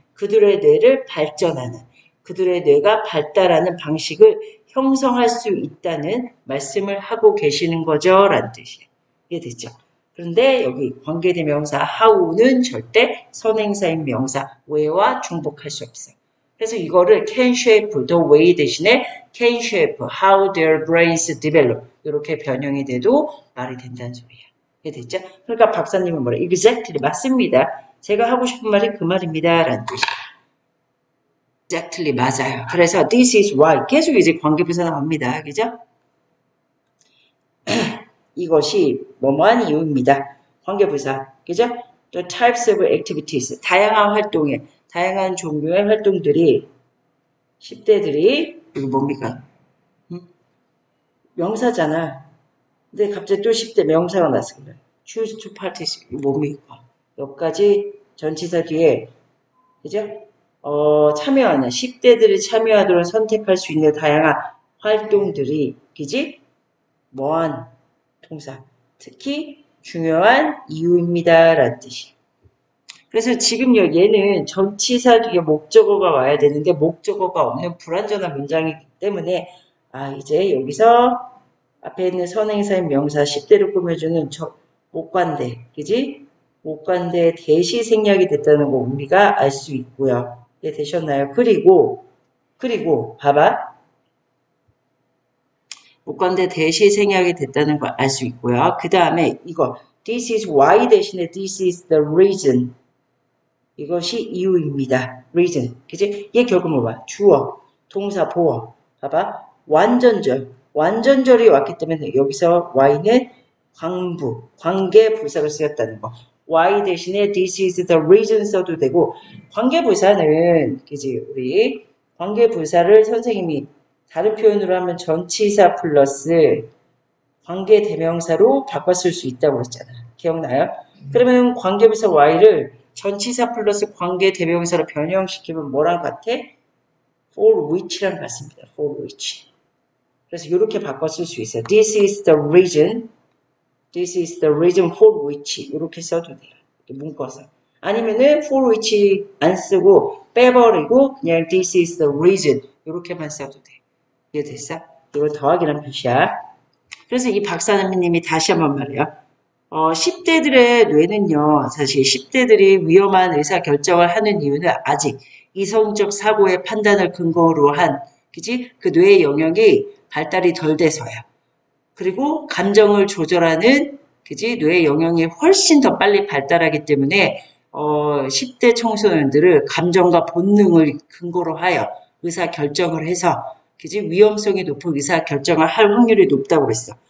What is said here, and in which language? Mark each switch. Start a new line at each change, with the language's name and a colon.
Korean: 그들의 뇌를 발전하는, 그들의 뇌가 발달하는 방식을 형성할 수 있다는 말씀을 하고 계시는 거죠. 라는 뜻이에요. 이해됐죠? 그런데 여기 관계대명사 how는 절대 선행사인 명사 where와 중복할 수 없어요. 그래서 이거를
English: can shape the way
Korean: 대신에
English: can shape how their brains develop
Korean: 이렇게 변형이 돼도 말이 된다는 소리예요. 이해 됐죠? 그러니까 박사님은 뭐래? Exactly 맞습니다. 제가 하고 싶은 말이 그 말입니다라는 뜻이에요. Exactly 맞아요. 그래서
English: this is why
Korean: 계속 이제 관계부사 나옵니다. 그죠? 이것이 뭐뭐한 이유입니다. 관계부사. 그죠?
English: The types of activities
Korean: 다양한 활동에 다양한 종류의 활동들이 10대들이 이거 뭡니까? 명사잖아. 근데 갑자기 또 10대 명사가 나왔습니다.
English: choose to participate,
Korean: 뭡니까? 여기까지 전치사 뒤에, 그죠? 참여하는, 10대들이 참여하도록 선택할 수 있는 다양한 활동들이, 그지? 뭐한 동사. 특히 중요한 이유입니다라는 뜻이. 그래서 지금 얘는 전치사 뒤에 목적어가 와야 되는데 목적어가 없는 불완전한 문장이기 때문에 아 이제 여기서 앞에 있는 선행사인 명사 10대를 꾸며주는 저 목관대, 그지? 목관대 대시 생략이 됐다는 거 우리가 알수 있고요. 이해 되셨나요? 그리고 봐봐. 목관대 대시 생략이 됐다는 거알수 있고요. 그 다음에 이거
English: This is why
Korean: 대신에
English: This is the reason.
Korean: 이것이 이유입니다. Reason. 그지? 얘 결국 뭐봐? 주어, 동사, 보어. 봐봐. 완전절. 완전절이 왔기 때문에 여기서 why는 관부, 관계부사로 쓰였다는 거. why 대신에
English: this is the reason
Korean: 써도 되고, 관계부사는, 그지, 우리, 관계부사를 선생님이 다른 표현으로 하면 전치사 플러스 관계대명사로 바꿨을 수 있다고 했잖아. 기억나요? 그러면 관계부사 why를 전치사 플러스 관계대명사로 변형시키면 뭐랑 같아?
English: for which
Korean: 랑 같습니다.
English: for which.
Korean: 그래서 이렇게 바꿨을 수 있어요.
English: This is the reason. This is the reason for which.
Korean: 이렇게 써도 돼요. 묶어서. 아니면은
English: for which
Korean: 안 쓰고 빼버리고 그냥
English: this is the reason.
Korean: 이렇게만 써도 돼요. 이해됐어? 이거 더하기란 표시야. 그래서 이 박사님이 다시 한번 말해요. 10대들의 뇌는요, 사실 10대들이 위험한 의사결정을 하는 이유는 아직 이성적 사고의 판단을 근거로 한, 그지? 그 뇌의 영역이 발달이 덜 돼서야. 그리고 감정을 조절하는, 그지, 뇌의 영역이 훨씬 더 빨리 발달하기 때문에, 10대 청소년들을 감정과 본능을 근거로 하여 의사 결정을 해서, 그지, 위험성이 높은 의사 결정을 할 확률이 높다고 했어.